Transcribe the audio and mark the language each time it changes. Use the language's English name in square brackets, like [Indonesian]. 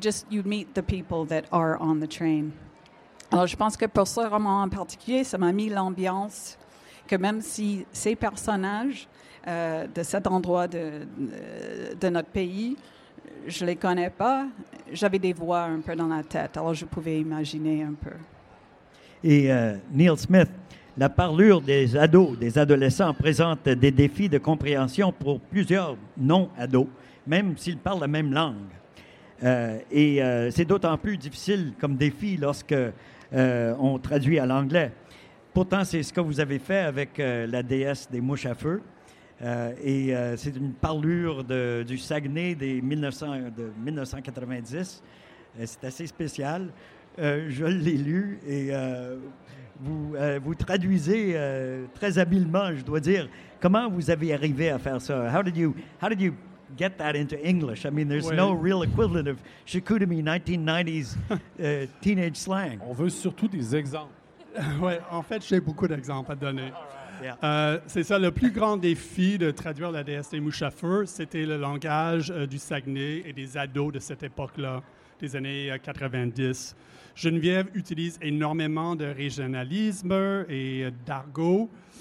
[English] You'd meet the people that are on the train. [French] Alors, je pense que pour ce roman en particulier, ça m'a mis l'ambiance... que même si ces personnages de cet endroit de notre pays, je ne les connais pas, j'avais des voix un peu dans la tête, alors je pouvais imaginer un peu. Et Neil Smith, la parlure des ados, des adolescents, présente des défis de compréhension pour plusieurs non-ados, même s'ils parlent la même langue. C'est d'autant plus difficile comme défi lorsque on traduit à l'anglais. Pourtant, c'est ce que vous avez fait avec la déesse des mouches à feu. C'est une parlure du Saguenay de 1990. C'est assez spécial. Je l'ai lu et vous traduisez très habilement, je dois dire. Comment vous avez arrivé à faire ça? [English] How did you get that into English? I mean, there's no real equivalent of Chicoutimi 1990s teenage slang. [French] On veut surtout des exemples. Oui, en fait, j'ai beaucoup d'exemples à donner. C'est ça, le plus grand défi de traduire la déesse des mouches à feu, c'était le langage du Saguenay et des ados de cette époque-là, des années 90. Geneviève utilise énormément de régionalisme et d'argot.